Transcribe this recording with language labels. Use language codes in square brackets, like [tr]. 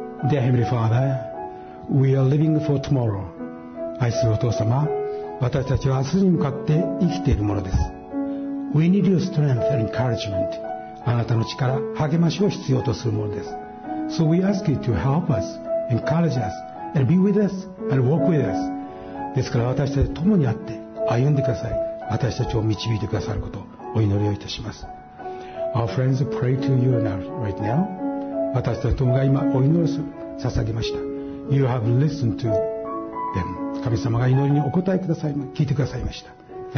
[en] Dear Heavenly Father,We are living for tomorrow. [ja] 愛するお父様、私たちは明日に向かって生きているものです。 [en] We need your strength and encouragement. [ja] あなたの力、励ましを必要とするものです。 [en] So we ask you to help us, encourage us, and be with us, and walk with us. [ja] ですから私たちと共にあって歩んでください。私たちを導いてくださることをお祈りをいたします。 [en] Our friends pray to you right now. [ja] 私たち友が今お祈りを捧げました。 [en] You have listened to them. [ja] 神様が祈りにお答えください、聞いてくださいました。